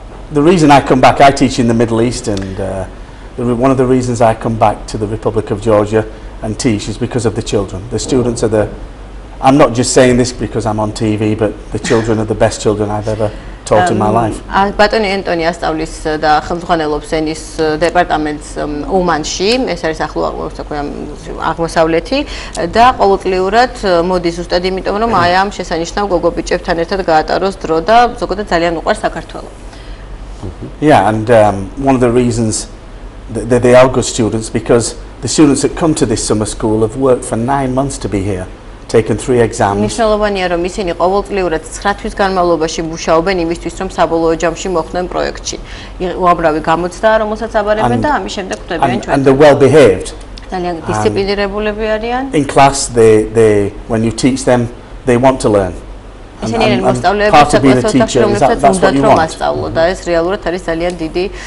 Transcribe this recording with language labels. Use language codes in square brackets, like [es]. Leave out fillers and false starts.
[en] The reason I come back, I teach in the Middle East, and one of the reasons I come back to the Republic of Georgia and teach is because of the children. The students are the, I'm not just saying this because I'm on TV, but the children are the best children I've ever taught in my life. [ka] ბატონი ენტონი ასწავლის და ხელმძღვანელობს ენის დეპარტამენტს ომანში, ეს არის ახლო აღმოსავლეთი და ყოველწლიურად მოდის უბრალოდ იმიტომ რომ აი ამ შესანიშნავ გოგობიჭებთან ერთად გაატაროს დრო და ზოგადად ძალიან უყვარს საქართველო. [en] Yeah, and one of the reasons that they are good students because the students that come to this summer school have worked for 9 months to be here. taken 3 exams. [ka] მნიშვნელოვანია რომ ისინი ყოველწლიურად 9 თვის განმავლობაში მუშაობენ იმისთვის რომ საბოლოო ჯამში მოხვდნენ პროექტში. უამრავი გამოცდაა რომელსაც აბარებენ და ამის შემდეგ ხვდებიან ჩვენ. [en] And they're well behaved. [ka] ძალიან დისციპლინირებულები არიან. [en] In class they when you teach them they want to learn. [ka] ისინი მოსწავლეებს საკუთარ თავს მოსწავლო და ეს რეალურად არის ძალიან დიდი